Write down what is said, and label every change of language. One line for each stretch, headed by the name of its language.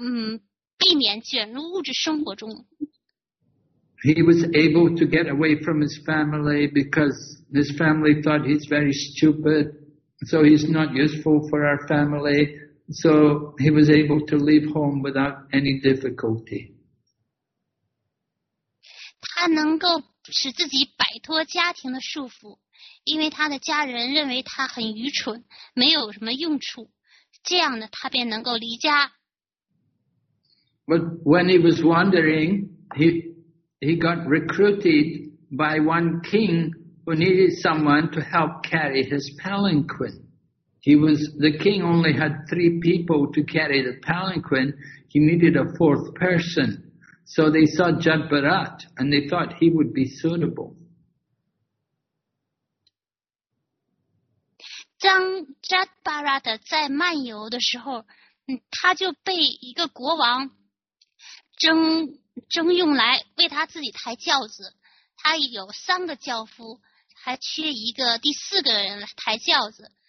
Chinese: 他希望自己不被人家所认出来，这样好，避免卷入物质生活中。
English: He was able to get away from his family because his family thought he's very stupid, so he's not useful for our family. So he was able to leave home without any difficulty.
Chinese: 他能够使自己摆脱家庭的束缚，因为他的家人认为他很愚蠢，没有什么用处，这样呢，他便能够离家。
English: But when he was wandering, he got recruited by one king who needed someone to help carry his palanquin. The king only had 3 people to carry the palanquin. He needed a 4th person. So they saw Jud Bharat and they thought he would be suitable.
Chinese: 当 Jud Bharat 在漫游的时候，他就被一个国王征用来为他自己抬轿子。他有3个轿夫，还缺一个第4个人来抬轿子。